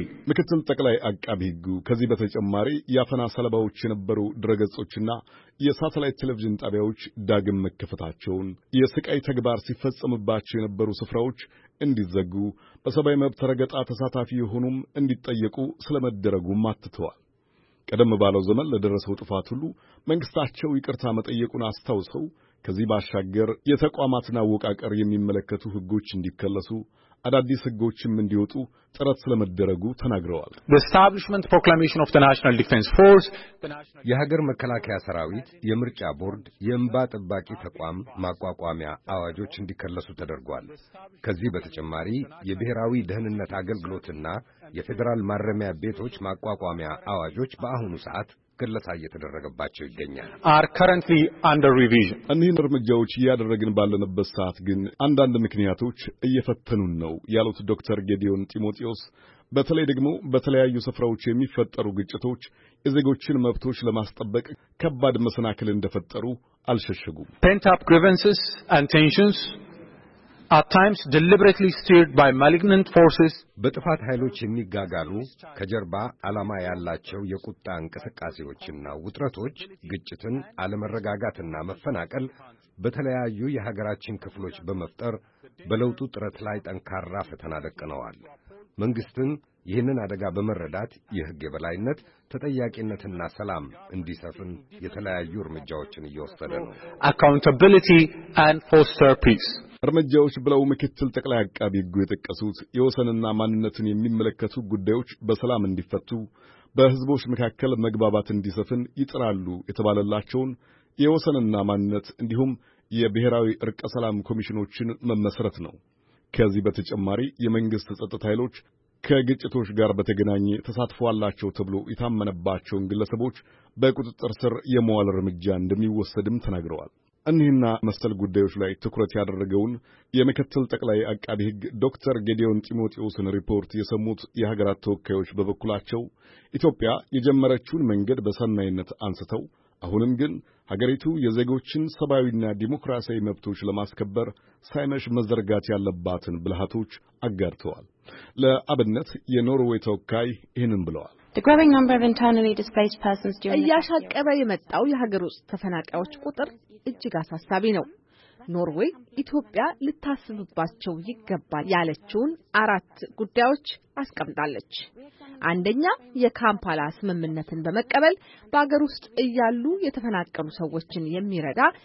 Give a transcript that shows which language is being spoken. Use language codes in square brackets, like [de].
[am] ምክትል ጠቅላይ አቃቤ ሕጉ ከዚህ በተጨማሪ የአፈና ሰለባዎች የነበሩ ድረገጾችና የሳተላይት ቴሌቪዥን ጣቢያዎች ዳግም መከፈታቸውን፣ የስቃይ ተግባር ሲፈጸምባቸው የነበሩ ስፍራዎች እንዲዘጉ፣ በሰብአዊ መብት ረገጣ ተሳታፊ የሆኑም እንዲጠየቁ ስለመደረጉም አትተዋል። ቀደም ባለው ዘመን ለደረሰው ጥፋት ሁሉ መንግስታቸው ይቅርታ መጠየቁን አስታውሰው፣ ከዚህ ባሻገር የተቋማትን አወቃቀር የሚመለከቱ ህጎች እንዲከለሱ፣ አዳዲስ ህጎችም እንዲወጡ ጥረት ስለመደረጉ ተናግረዋል። [en] The establishment proclamation of the National Defense Force, [am] የሀገር መከላከያ ሰራዊት፣ የምርጫ ቦርድ፣ የእንባ ጠባቂ ተቋም ማቋቋሚያ አዋጆች እንዲከለሱ ተደርጓል። ከዚህ በተጨማሪ የብሔራዊ ደህንነት አገልግሎትና የፌዴራል ማረሚያ ቤቶች ማቋቋሚያ አዋጆች በአሁኑ ሰዓት ክለሳ እየተደረገባቸው ይገኛል። [en] Are currently under revision. [am] እነዚህ እርምጃዎች እያደረግን ባለንበት ሰዓት ግን አንዳንድ ምክንያቶች እየፈተኑን ነው ያሉት ዶክተር ጌዲዮን ጢሞቴዎስ፣ በተለይ ደግሞ በተለያዩ ስፍራዎች የሚፈጠሩ ግጭቶች የዜጎችን መብቶች ለማስጠበቅ ከባድ መሰናክል እንደፈጠሩ አልሸሸጉም። [en] Pent up grievances and tensions at times deliberately steered by malignant forces. [am] በጥፋት ኃይሎች የሚጋጋሉ ከጀርባ ዓላማ ያላቸው የቁጣ እንቅስቃሴዎችና ውጥረቶች ግጭትን፣ አለመረጋጋትና መፈናቀል በተለያዩ የሀገራችን ክፍሎች በመፍጠር በለውጡ ጥረት ላይ ጠንካራ ፈተና ደቅነዋል። መንግስትን ይህንን አደጋ በመረዳት የሕግ የበላይነት፣ ተጠያቂነትና ሰላም እንዲሰፍን የተለያዩ እርምጃዎችን እየወሰደ ነው። [en] Accountability and foster peace. [am] እርምጃዎች ብለው ምክትል ጠቅላይ አቃቤ ሕግ የጠቀሱት የወሰንና ማንነትን የሚመለከቱ ጉዳዮች በሰላም እንዲፈቱ፣ በሕዝቦች መካከል መግባባት እንዲሰፍን ይጥራሉ የተባለላቸውን የወሰንና ማንነት እንዲሁም የብሔራዊ እርቀ ሰላም ኮሚሽኖችን መመስረት ነው። ከዚህ በተጨማሪ የመንግሥት ጸጥታ ኃይሎች ከግጭቶች ጋር በተገናኘ ተሳትፎ አላቸው ተብሎ የታመነባቸውን ግለሰቦች በቁጥጥር ስር የመዋል እርምጃ እንደሚወሰድም ተናግረዋል። እኒህና መሰል ጉዳዮች ላይ ትኩረት ያደረገውን የምክትል ጠቅላይ አቃቤ ሕግ ዶክተር ጌዲዮን ጢሞቴዎስን ሪፖርት የሰሙት የሀገራት ተወካዮች በበኩላቸው ኢትዮጵያ የጀመረችውን መንገድ በሰናይነት አንስተው፣ አሁንም ግን ሀገሪቱ የዜጎችን ሰብአዊና ዲሞክራሲያዊ መብቶች ለማስከበር ሳይመሽ መዘርጋት ያለባትን ብልሃቶች አጋርተዋል። ለአብነት የኖርዌይ ተወካይ ይህንን ብለዋል። [en] The growing number of internally displaced persons during the year. [am] እያሻቀበ የመጣው የሀገር ውስጥ ተፈናቃዮች ቁጥር እጅግ አሳሳቢ ነው። ኖርዌይ ኢትዮጵያ ልታስብባቸው ይገባል ያለችውን አራት ጉዳዮች አስቀምጣለች። አንደኛ፣ የካምፓላ ስምምነትን በመቀበል በሀገር ውስጥ እያሉ የተፈናቀሉ ሰዎችን የሚረዳ